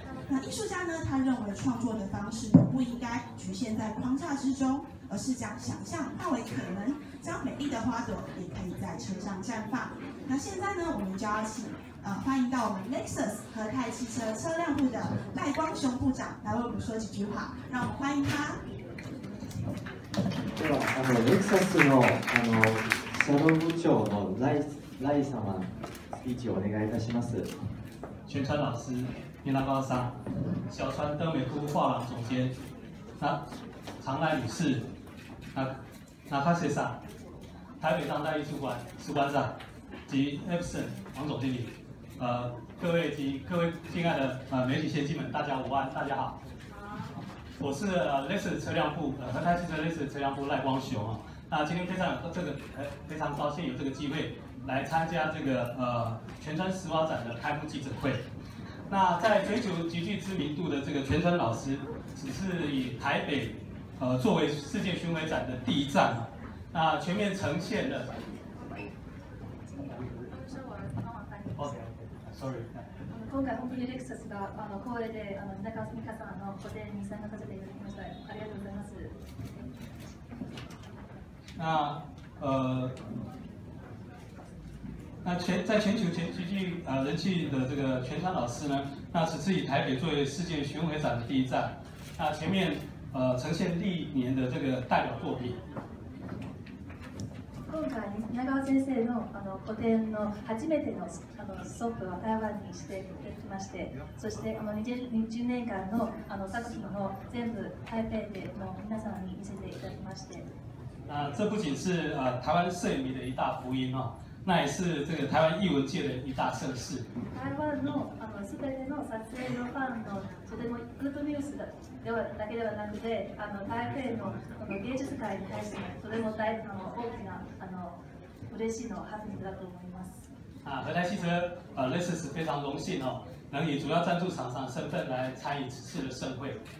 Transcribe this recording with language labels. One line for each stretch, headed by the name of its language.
Chinese: 那艺术家呢，他认为创作的方式不应该局限在框架之中，而是将想象化为可能，将美丽的花朵也可以在车上绽放。那现在呢，我们就要请欢迎到我们 Lexus 和泰汽车车辆部的赖光雄部长来为我们说几句话，让我们欢迎他。
Japanese: では Lexus の車両部長の赖様スピーチをお願いいたします。
Chinese: 全川老师、蜷川さん、小川灯美库画廊总监、那长濑女士、那卡西さん、台北当代艺术馆主馆长及 Epson 王总经理，各位亲爱的媒体先进们，大家午安，大家好。我是Lexus 车辆部和泰汽车Lexus 车辆部赖光雄啊。那今天非常高兴有这个机会来参加这个全川石花展的开幕记者会。那在全球极具知名度的这个全川老师，只是以台北作为世界巡回展的第一站，那全面呈现了。
Japanese: 今回本当にレクサスが光栄で、蜷川美香さんの個展に参加させていただきました。ありがとうございます。
Chinese: 那那全在全球全极具人气的这个全川老师呢，那此次以台北作为世界巡回展的第一站，那前面呈现历年的这个代表作品。
Japanese: 今回蜷川先生の個展の初めてのストップは台湾にしていきまして、そして20年間の作品を全部台北で皆さんに見せていただきまして。
Chinese: 这不仅是台湾摄影迷的一大福音啊，那也是这个台湾艺文界的一大盛事。
Japanese: 台湾のあのすべての撮影のファンのとてもグッドニュースではだけではなくて、あの台北のこの芸術界に対してもとても大あの大きなあの嬉しいのハプニングだと思います。
Chinese: 啊，和台汽车啊，这次是非常荣幸哦，能以主要赞助厂商身份来参与此次的盛会。